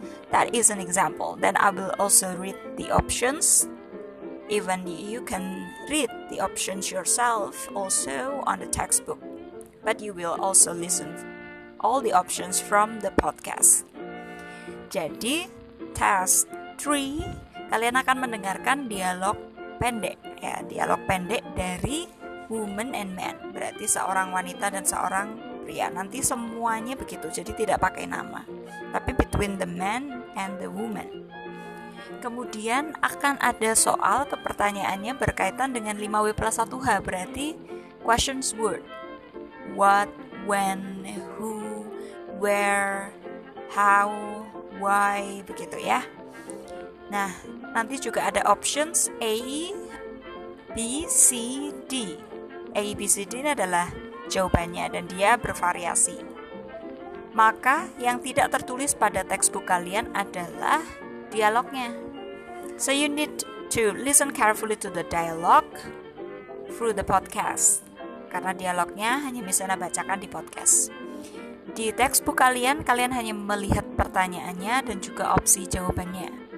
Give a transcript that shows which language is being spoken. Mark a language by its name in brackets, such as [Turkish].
[English] That is an example. Then I will also read the options. Even you can read the options yourself also on the textbook. But you will also listen all the options from the podcast. [Indonesian] Jadi, test 3. Kalian akan mendengarkan dialog pendek, ya, dialog pendek dari [English] woman and man, [Indonesian] berarti seorang wanita dan seorang pria. Nanti semuanya begitu, jadi tidak pakai nama, tapi [English] between the man and the woman. [Indonesian] Kemudian akan ada soal atau pertanyaannya berkaitan dengan 5W plus 1H, berarti questions word. [English] What, when, who, where, how, why, [Indonesian] begitu ya. Nah, nanti juga ada options A, B, C, D. A, B, C, D ini adalah jawabannya dan dia bervariasi. Maka yang tidak tertulis pada textbook kalian adalah dialognya. [English] So you need to listen carefully to the dialogue through the podcast. [Indonesian] Karena dialognya hanya bisa Anda bacakan di podcast. Di textbook kalian, kalian hanya melihat pertanyaannya dan juga opsi jawabannya.